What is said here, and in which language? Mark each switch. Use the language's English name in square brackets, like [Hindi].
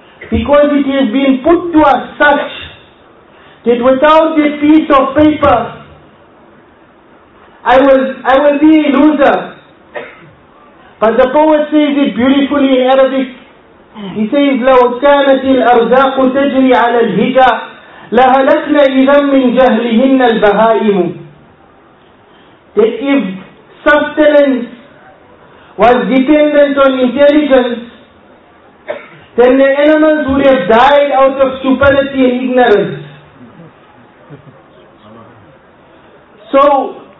[English] Because it has been put to us such that without this piece of paper, I will be a loser. But the poet says it beautifully in Arabic. He says, [Arabic] لَوْ كَانَتِ الْأَرْزَاقُ تَجْرِي عَلَى الْهِجَى لَهَلَكْنَ إِذَمْ مِنْ جَهْلِهِنَّ الْبَهَائِمُ. [English] That if sustenance was dependent on intelligence, then the animals would have died out of stupidity and ignorance. So,